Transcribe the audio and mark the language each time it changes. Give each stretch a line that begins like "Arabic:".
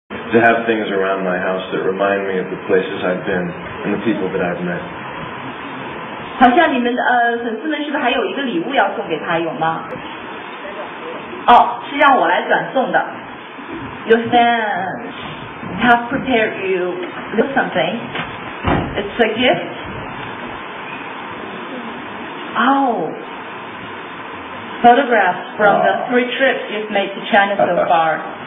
English: to have things around my house that remind me of the places I've been and the people that I've met.
Chinese: 好像你们粉丝们是不是还有一个礼物要送给他有吗？哦，是让我来转送的。
English: Your fans have prepared you with something. It's a gift. Oh, photographs from the three trips you've made to China so far.